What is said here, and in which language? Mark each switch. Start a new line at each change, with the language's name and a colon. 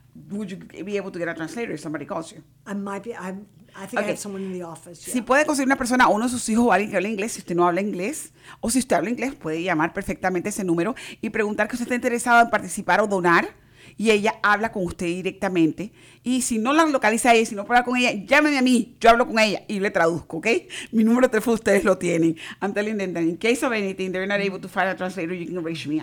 English: Would you be able to get a translator if somebody calls you? I think. I have someone in the office.
Spanish: Si puede conseguir una persona, uno de sus hijos o alguien que hable inglés, si usted no habla inglés, o si usted habla inglés, puede llamar perfectamente ese número y preguntar que usted está interesado en participar o donar, y ella habla con usted directamente. Y si no la localiza a ella, si no habla con ella, llámeme a mí, yo hablo con ella y le traduzco, ¿ok? Mi número de teléfono ustedes lo tienen.
English: I'm telling them that in case of anything, they're not able to find a translator, you can reach me.